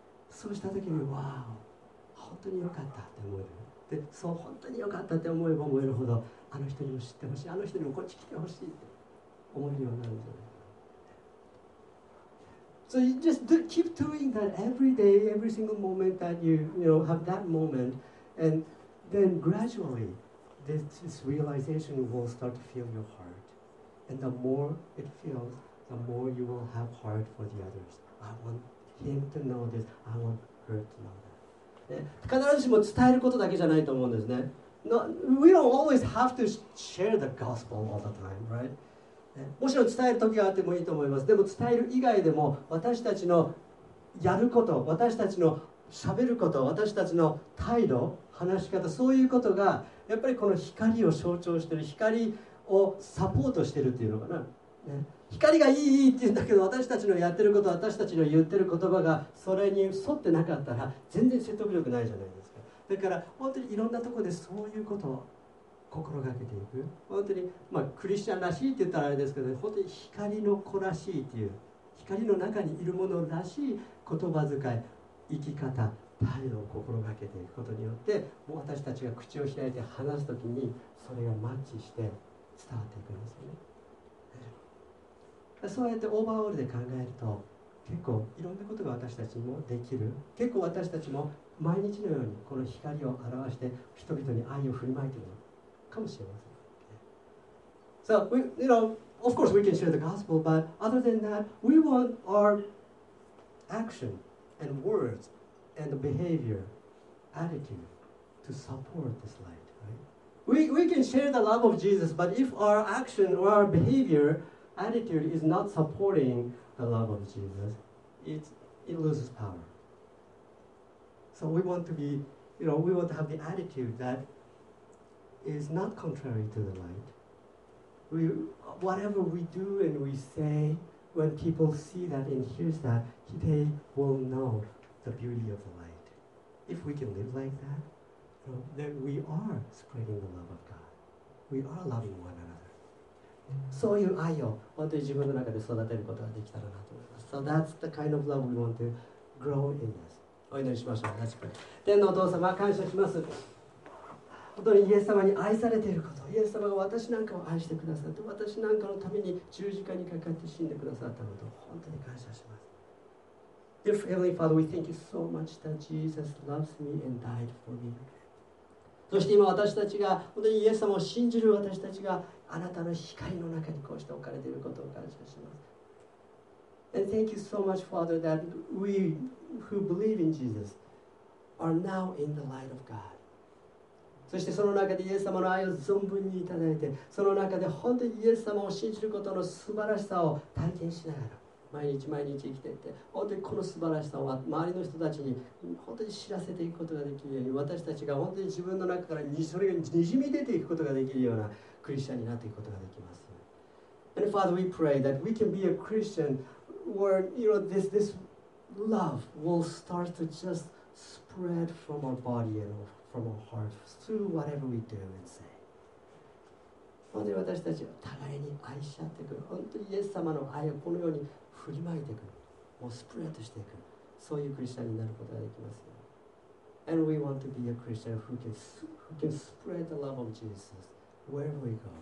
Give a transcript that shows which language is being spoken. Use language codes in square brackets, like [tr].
[ja] そうしたときにわあ本当に良かったって思える、でそう本当に良かったって思えば思えるほど、あの人にも知ってほしい、あの人にもこっち来てほしいって思うようになるんじゃないか。 [en] So you just do, keep doing that every day, every single moment that you have that moment, and then gradually this realization will start to fill your heart. And the more it fills, the more you will have heart for the others. I want him to know this. I want her to know that. [ja] 必ずしも伝えることだけじゃないと思うんですね。 [en] We don't always have to share the gospel all the time, right? [ja] もちろん伝える時があってもいいと思います。でも伝える以外でも私たちのやること、私たちの喋ること、私たちの態度、話し方、そういうことがやっぱりこの光を象徴している、光をサポートしているっていうのかな。光がいいいいって言うんだけど、私たちのやってること、私たちの言ってる言葉がそれに沿ってなかったら全然説得力ないじゃないですか。だから本当にいろんなところでそういうことを心がけていく、本当に、まあ、クリスチャンらしいって言ったらあれですけど、本当に光の子らしいっていう、光の中にいるものらしい言葉遣い、生き方、態度を心がけていくことによって、もう私たちが口を開いて話すときにそれがマッチして伝わっていくんですよね。そうやってオーバーオールで考えると、結構いろんなことが私たちもできる、結構私たちも毎日のようにこの光を表して人々に愛を振りまいているかもしれません。 [en] So we, you know, of course we can share the gospel, but other than that, we want our action and words and behavior, attitude to support this light, right? We can share the love of Jesus, but if our action or our behavior, attitude is not supporting the love of Jesus, it loses power. So we want to be, you know, we want to have the attitude thatis not contrary to the light. Whatever we do and we say, when people see that and hear that, they will know the beauty of the light. If we can live like that, then we are spreading the love of God. We are loving one another. [ja] そういう愛を本当に自分の中で育てることができたらなと思います。 [en] So that's the kind of love we want to grow in us. [ja] お祈りしましょう。 [en] Let's pray. [ja] 天のお父様、感謝します。本当にイエス様に愛されていること、イエス様が私なんかを愛してくださって、私なんかのために十字架にかかって死んでくださったことを本当に感謝します。 [en] Dear Heavenly Father, we thank you so much that Jesus loves me and died for me. [ja] そして今私たちが本当にイエス様を信じる私たちがあなたの光の中にこうして置かれていることを感謝します。 [en] And thank you so much, Father, that we who believe in Jesus are now in the light of God. [ja] そしてその中でイエス様の愛を存分にいただいて、その中で本当にイエス様を信じることの素晴らしさを体験しながら、毎日毎日生きていって、本当にこの素晴らしさを周りの人たちに本当に知らせていくことができるように、私たちが本当に自分の中からそれがにじみ出ていくことができるようなクリスチャンになっていくことができます。 [en] And Father, we pray that we can be a Christian where, you know, this love will start to just spread from our body and from our heart through whatever we do and say. [ja] 本当に私たちを互いに愛し合っていく、本当にイエス様の愛をこのように振りまいていく、もうスプレッドしていく、そういうクリスチャンになることができますよ。 [en] And we want to be a Christian who can spread the love of Jesus wherever we go.